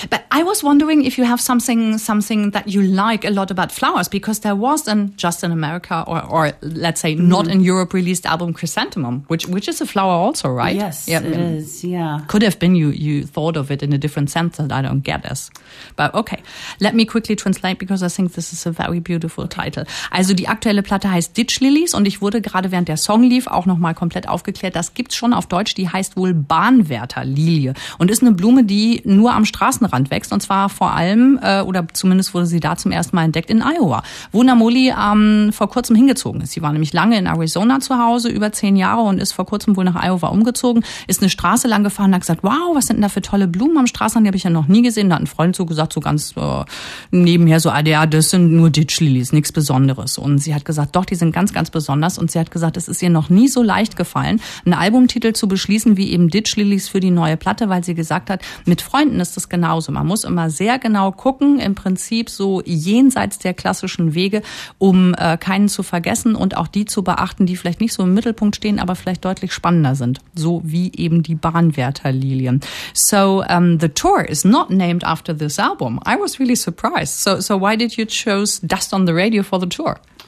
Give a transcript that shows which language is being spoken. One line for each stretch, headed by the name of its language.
English: But I was wondering if you have something that you like a lot about flowers, because there was an Just in America or let's say not in Europe released album Chrysanthemum, which is a flower also, right? Yes, yep. It is. Yeah. Could have been you thought of it in a different sense that I don't get this. But okay. Let me quickly translate, because I think this is a very beautiful title.
German: Also die aktuelle Platte heißt Ditch Lilies und ich wurde gerade während der Song lief auch nochmal komplett aufgeklärt. Das gibt's schon auf Deutsch. Die heißt wohl Bahnwärterlilie und ist eine Blume, die nur am Straßenrand wächst und zwar vor allem oder zumindest wurde sie da zum ersten Mal entdeckt in Iowa, wo Namoli vor kurzem hingezogen ist. Sie war nämlich lange in Arizona zu Hause, über 10 Jahre und ist vor kurzem wohl nach Iowa umgezogen, ist eine Straße lang gefahren und hat gesagt, wow, was sind denn da für tolle Blumen am Straßenrand, die habe ich ja noch nie gesehen. Da hat ein Freund so gesagt, so ganz nebenher so, ja, das sind nur Ditch-Lilies, nichts Besonderes. Und sie hat gesagt, doch, die sind ganz, ganz besonders und sie hat gesagt, es ist ihr noch nie so leicht gefallen, einen Albumtitel zu beschließen wie eben Ditch-Lilies für die neue Platte, weil sie gesagt hat, mit Freunden ist das genauso. Man muss immer sehr genau gucken, im Prinzip so jenseits der klassischen Wege, um keinen zu vergessen und auch die zu beachten, die vielleicht nicht so im Mittelpunkt stehen, aber vielleicht deutlich spannender sind. So wie eben die Bahnwärterlilien.
English: So, the tour is not named after this album. I was really surprised. So why did you choose Dust on the Radio for the tour?